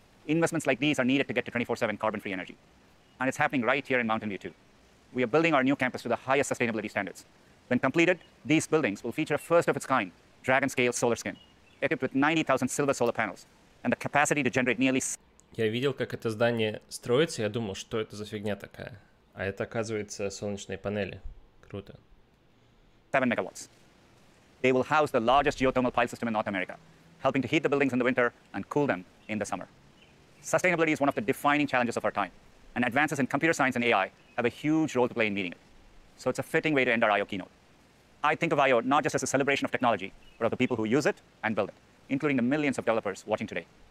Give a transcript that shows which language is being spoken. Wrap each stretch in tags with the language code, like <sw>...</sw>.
<en>Investments like these are needed to get to 24/7 carbon-free energy. And it's happening right here in Mountain View, too. We are building our new campus to the highest sustainability standards. When completed, these buildings will feature a first-of-its-kind dragon-scale solar skin, equipped with 90,000 silver solar panels, and the capacity to generate nearly...</en> <ru>Я видел, как это здание строится, я думал, что это за фигня такая. А это, оказывается, солнечные панели. Круто.</ru> <en>7 megawatts. They will house the largest geothermal pile system in North America, helping to heat the buildings in the winter and cool them in the summer. Sustainability is one of the defining challenges of our time, and advances in computer science and AI have a huge role to play in meeting it. So it's a fitting way to end our I.O. keynote. I think of I.O. not just as a celebration of technology, but of the people who use it and build it, including the millions of developers watching today.</en>